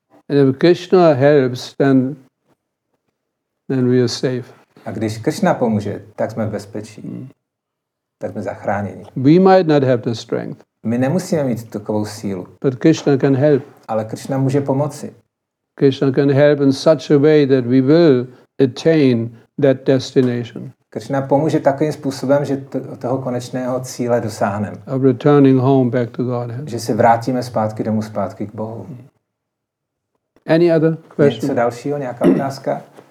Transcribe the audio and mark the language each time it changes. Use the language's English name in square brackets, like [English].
[English] And if Krishna helps, then we are safe. [Czech] A když Krishna pomůže, tak jsme v bezpečí. Tak jsme zachráněni. [English] We might not have the strength. [Czech] My nemusíme mít takovou sílu. [English] But Krishna can help. [Czech] Ale Krishna může pomoci. [English] Krishna can help in such a way that we will attain that destination. [Czech] Krishna pomůže takovým způsobem, že toho konečného cíle dosáhneme. [English] Of returning home back to Godhead. [Czech] Že se vrátíme zpátky domů, zpátky k Bohu. [English] Any other question? [Czech] Něco dalšího, nějaká otázka?